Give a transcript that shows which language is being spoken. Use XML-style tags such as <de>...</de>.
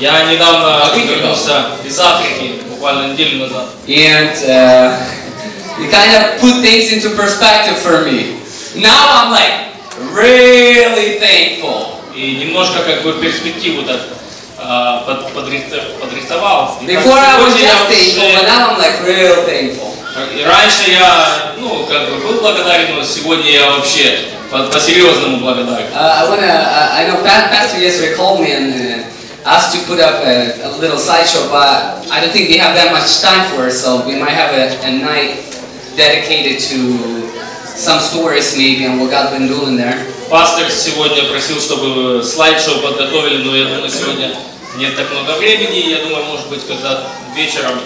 <ru>Недавно вернулся из Африки, буквально неделю назад.</ru> <en>And you kind of put things into perspective for me. Now I'm like really thankful.</en> <ru>І немножко как бы перспективу так подрисовал.</ru> <en>Before I was just thankful, but now I'm like real thankful.</en> <ru>И раньше я, ну, как бы был благодарен, но сегодня я вообще по-серьезному благодарен.</ru> <en>I know Pastor yesterday called me and asked to put up a little slideshow, but I don't think we have that much time for it, so we might have a night dedicated to some stories maybe and what God's been doing there.</en> <ru>Пастор сегодня просил, чтобы слайд-шоу подготовили, но я думаю, сегодня нет так много времени, я думаю, может быть, когда вечером.</ru>